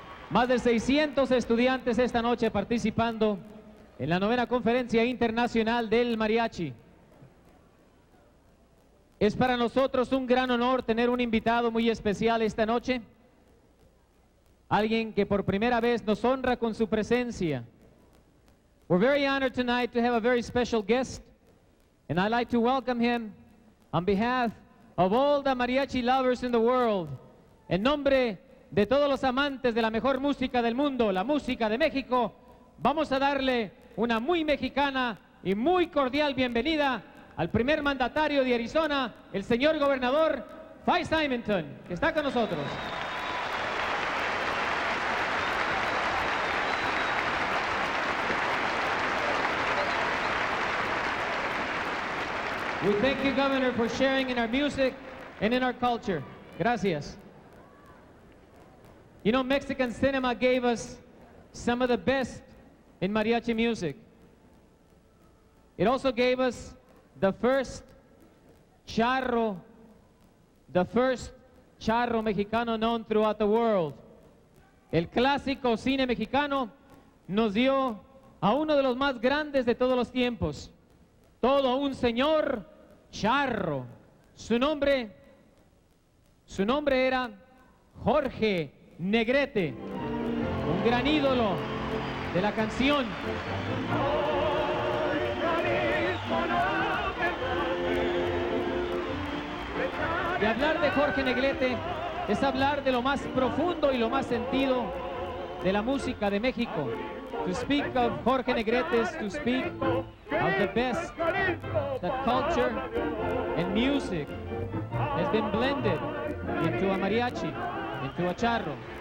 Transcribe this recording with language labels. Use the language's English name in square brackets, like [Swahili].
[Spanish] Más de 600 estudiantes esta noche participando en la novena conferencia internacional del mariachi. Es para nosotros un gran honor tener un invitado muy especial esta noche. Alguien que por primera vez nos honra con su presencia. [English] We're very honored tonight to have a very special guest. And I'd like to welcome him on behalf of all the mariachi lovers in the world, [Spanish] en nombre de todos los amantes de la mejor música del mundo, la música de México, vamos a darle una muy mexicana y muy cordial bienvenida al primer mandatario de Arizona, el señor gobernador Fay Symington, que está con nosotros. [English] We thank you, Governor, for sharing in our music and in our culture. Gracias. You know, Mexican cinema gave us some of the best in mariachi music. It also gave us the first charro, mexicano known throughout the world. [Spanish] El clásico cine mexicano nos dio a uno de los más grandes de todos los tiempos. Todo un señor. Charro, su nombre era Jorge Negrete, un gran ídolo de la canción. Y hablar de Jorge Negrete es hablar de lo más profundo y lo más sentido de la música de México. [English] To speak of Jorge Negrete is to speak of the best that culture and music has been blended into a mariachi, into a charro.